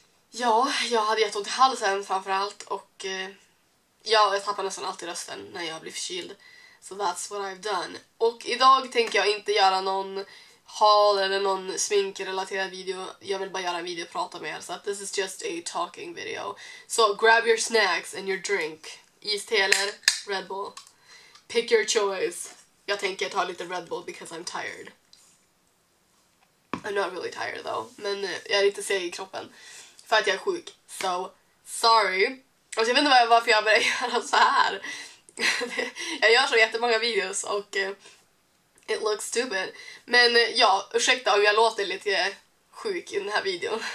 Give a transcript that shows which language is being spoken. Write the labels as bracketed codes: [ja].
[sv] ja, jag hade jätteont i halsen framförallt. Och jag tappar nästan alltid rösten när jag blir förkyld. [en] So that's what I've done. [sv] Och idag tänker jag inte göra någon haul eller någon sminkrelaterad video. Jag vill bara göra en video och prata med er. Så [en] this is just a talking video. So grab your snacks and your drink. [sv] Iste eller [en] Red Bull. Pick your choice. [sv] Jag tänker ta lite [en] Red Bull because I'm tired. I'm not really tired though. [sv] Men jag är lite seg i kroppen. För att jag är sjuk. [en] So sorry. [sv] Och jag vet inte varför jag började göra så här. Jag gör så jättemånga videos och [en] it looks stupid. [sv] Men ja, ursäkta om jag låter lite sjuk i den här videon.